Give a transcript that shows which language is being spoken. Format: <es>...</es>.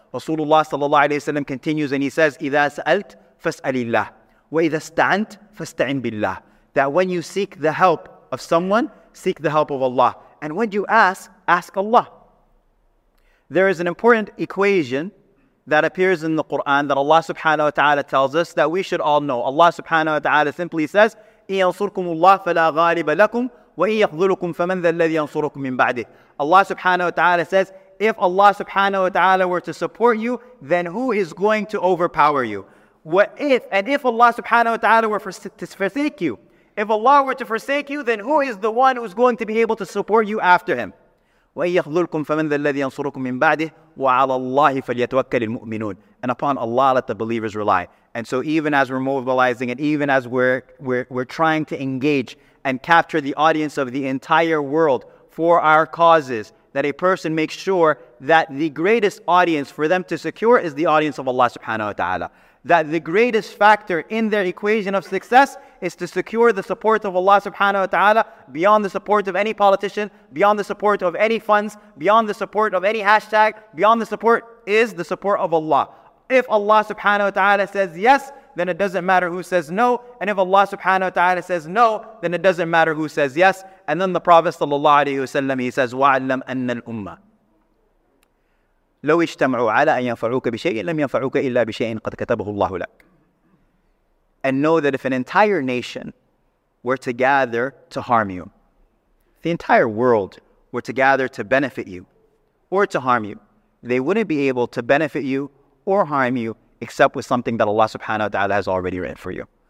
<en>Rasulullah sallallahu alayhi wa sallam continues and he says,</en> <ar>إِذَا سَأَلْتْ فَاسْأَلِ اللَّهِ وَإِذَا اسْتَعَنْتْ فَاسْتَعِنْ بِاللَّهِ.</ar> <en>That when you seek the help of someone, seek the help of Allah. And when you ask, ask Allah. There is an important equation that appears in the Quran that Allah subhanahu wa ta'ala tells us that we should all know. Allah subhanahu wa ta'ala simply says,</en> <ar>إِنْ يَنْصُرْكُمُ اللَّهُ فَلَا غَالِبَ لَكُمْ وَإِنْ يَخْذُلُكُمْ فَمَنْ ذَا الَّذِي يَنْصُرُكُمْ مِنْ بَعْدِهِ.</ar> <en>Allah subhanahu wa ta'ala says, if Allah subhanahu wa ta'ala were to support you, then who is going to overpower you? What if, and if Allah subhanahu wa ta'ala were to forsake you, if Allah were to forsake you, then who is the one who is going to be able to support you after him?</en> <ar>وَإِنْ يَخْذُلُكُمْ فَمَنْ ذَا الَّذِي يَنْصُرُكُمْ مِنْ بَعْدِهِ وَعَلَى اللَّهِ فَلْيَتْوَكَّلِ الْمُؤْمِنُونَ.</ar> <en>And upon Allah let the believers rely. And so even as we're mobilizing and even as we're trying to engage and capture the audience of the entire world for our causes, that a person makes sure that the greatest audience for them to secure is the audience of Allah subhanahu wa ta'ala. That the greatest factor in their equation of success is to secure the support of Allah subhanahu wa ta'ala beyond the support of any politician, beyond the support of any funds, beyond the support of any hashtag, beyond the support is the support of Allah. If Allah subhanahu wa ta'ala says yes, then it doesn't matter who says no. And if Allah subhanahu wa ta'ala says no, then it doesn't matter who says yes. And then the Prophet sallallahu alayhi wa sallam, he says,</en> <ar>وَعَلَّمْ أَنَّ الْأُمَّةِ لَوْ اِجْتَمْعُوا عَلَىٰ أَنْ يَنْفَعُوكَ بِشَيْءٍ لَمْ يَنْفَعُوكَ إِلَّا بِشَيْءٍ قَدْ كَتَبَهُ اللَّهُ لَكَ.</ar> <en>And know that if an entire nation were to gather to harm you, the entire world were to gather to benefit you or to harm you, they wouldn't be able to benefit you or harm you except with something that Allah subhanahu wa ta'ala has already written for you.</en>